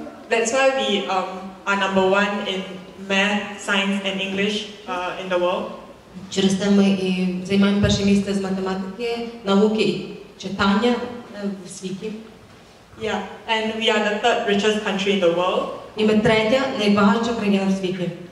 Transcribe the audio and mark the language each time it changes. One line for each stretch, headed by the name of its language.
English: That's why we are number one in math, science and English in the world.
Ukrainian: Через те ми і займаємо перше місце з математики, науки і читання в світі.
English: Yeah, and we are the third richest country in the world.
Ukrainian: І ми третя найбагатша країна в світі.